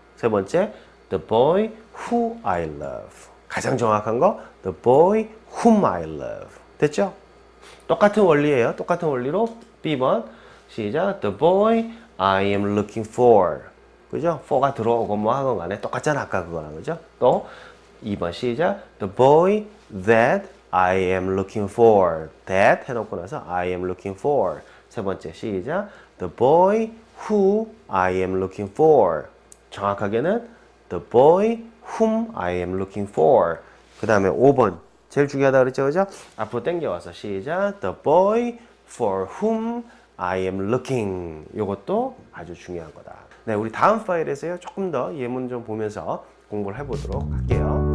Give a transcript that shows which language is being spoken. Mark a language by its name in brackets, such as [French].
[Korean] 세 번째 [English] The boy who I love. [Korean] 가장 정확한 거 [English] The boy whom I love. [Korean] 됐죠? 똑같은 원리예요. 똑같은 원리로 B번 시작. [English] The boy I am looking for. [Korean] 그죠? for가 들어오고 뭐 하건 간에 똑같잖아. 아까 그거랑. 그죠? 또 2번 시작. [English] The boy that I am looking for. that [Korean] 해놓고 나서 [English] I am looking for. [Korean] 세 번째 시작. [English] The boy who I am looking for. [Korean] 정확하게는 [English] The boy whom I am looking for. [Korean] 그 다음에 5번. 제일 중요하다 그랬죠? 그죠? 앞으로 땡겨와서 시작. [English] The boy for whom I am looking. [Korean] 이것도 아주 중요한 거다. 네, 우리 다음 파일에서요 조금 더 예문 좀 보면서 공부를 해보도록 할게요.